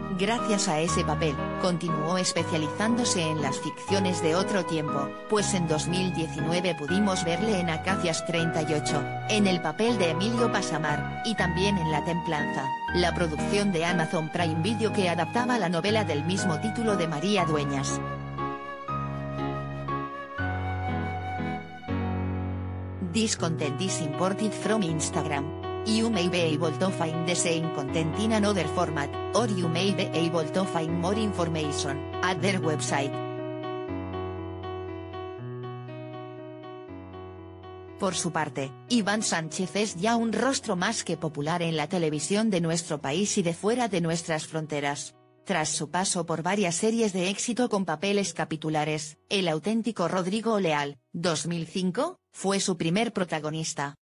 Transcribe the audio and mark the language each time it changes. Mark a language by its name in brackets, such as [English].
[Spanish] Gracias a ese papel, continuó especializándose en las ficciones de otro tiempo, pues en 2019 pudimos verle en Acacias 38, en el papel de Emilio Pasamar, y también en La Templanza, la producción de Amazon Prime Video que adaptaba la novela del mismo título de María Dueñas. [English] This content is imported from Instagram. You may be able to find the same content in another format, or you may be able to find more information at their website. [Spanish] Por su parte, Iván Sánchez es ya un rostro más que popular en la televisión de nuestro país y de fuera de nuestras fronteras. Tras su paso por varias series de éxito con papeles capitulares, El Auténtico Rodrigo Leal, 2005, fue su primer protagonista.